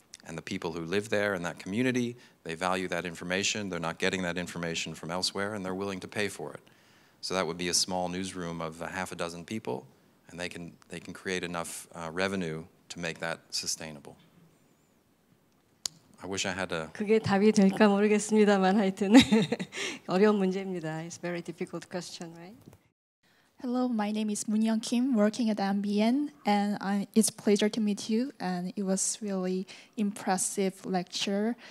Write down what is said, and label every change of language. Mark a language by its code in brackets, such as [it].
[en] And the people who live there in that community, they value that information. They're not getting that information from elsewhere, and they're willing to pay for it. So that would be a small newsroom of a half a dozen people, and they can create enough revenue to make that sustainable. I wish I had a. [ko] 그게 답이 될까 모르겠습니다만 하여튼 어려운 문제입니다. [en] It's a very difficult question, right? Hello, my name is Moon Young Kim, working at MBN, and it's a pleasure to meet you. And it was really impressive lecture.